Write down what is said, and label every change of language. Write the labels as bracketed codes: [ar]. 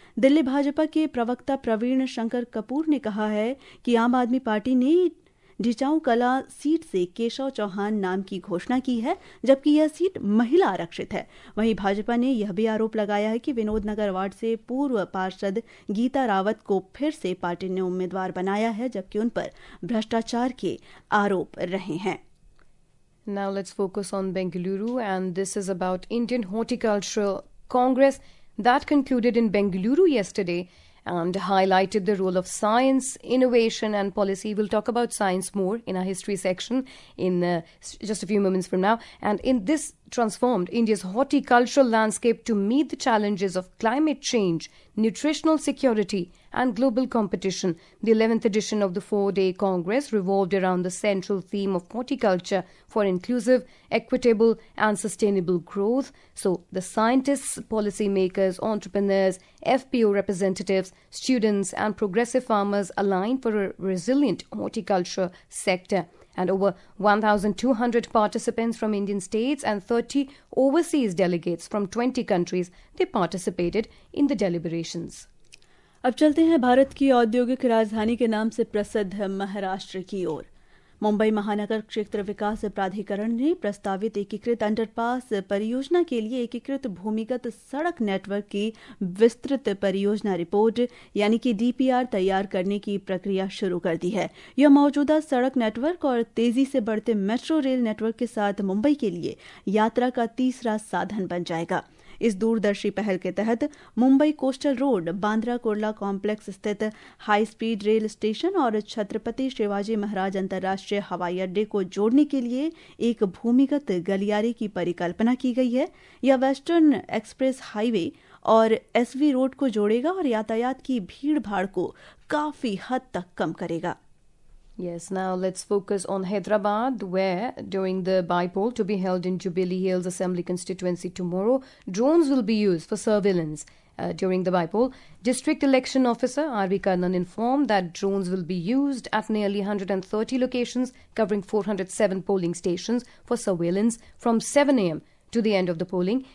[hi] दिल्ली भाजपा के प्रवक्ता प्रवीण शंकर कपूर ने कहा है कि आम आदमी पार्टी ने ढिचाऊ कला सीट से केशव चौहान नाम की घोषणा की है, जबकि यह सीट महिला आरक्षित है. वहीं भाजपा ने यह भी आरोप लगाया है कि विनोद नगर वार्ड से पूर्व पार्षद गीता रावत को फिर से पार्टी ने उम्मीदवार बनाया है, जबकि उन पर भ्रष्टाचार के आरोप रहे हैं. [en] Now let's focus on Bengaluru, and this is about Indian Horticultural Congress that concluded in Bengaluru yesterday. And highlighted the role of science, innovation and policy. We'll talk about science more in our history section in just a few moments from now. And in this transformed India's horticultural landscape to meet the challenges of climate change, nutritional security and global competition, the 11th edition of the four-day Congress revolved around the central theme of horticulture for inclusive, equitable and sustainable growth. So the scientists, policymakers, entrepreneurs, FPO representatives, students and progressive farmers aligned for a resilient horticulture sector. And over 1,200 participants from Indian states and 30 overseas delegates from 20 countries, they participated in the deliberations. [hi] अब चलते हैं भारत की औद्योगिक राजधानी के नाम से प्रसिद्ध महाराष्ट्र की ओर. मुंबई महानगर क्षेत्र विकास प्राधिकरण ने प्रस्तावित एकीकृत अंडरपास परियोजना के लिए एकीकृत भूमिगत सड़क नेटवर्क की विस्तृत परियोजना रिपोर्ट यानी कि डीपीआर तैयार करने की प्रक्रिया शुरू कर दी है. यह मौजूदा सड़क नेटवर्क और तेजी से बढ़ते मेट्रो रेल नेटवर्क के साथ मुंबई के लिए यात्रा का तीसरा साधन बन जाएगा. इस दूरदर्शी पहल के तहत Mumbai coastal road, Bandra Kurla complex स्थित हाई स्पीड रेल स्टेशन और छत्रपति शिवाजी महाराज अंतर्राष्ट्रीय हवाई अड्डे को जोड़ने के लिए एक भूमिगत गलियारे की परिकल्पना की गई है. यह वेस्टर्न एक्सप्रेस हाईवे और एसवी रोड को जोड़ेगा और यातायात की भीड़ भाड़ को काफी हद तक कम करेगा. [en] Yes, now let's focus on Hyderabad, where during the bipole to be held in Jubilee Hills Assembly constituency tomorrow, drones will be used for surveillance during the bipole. District Election Officer R.V. Karnan informed that drones will be used at nearly 130 locations covering 407 polling stations for surveillance from 7 a.m. to the end of the polling.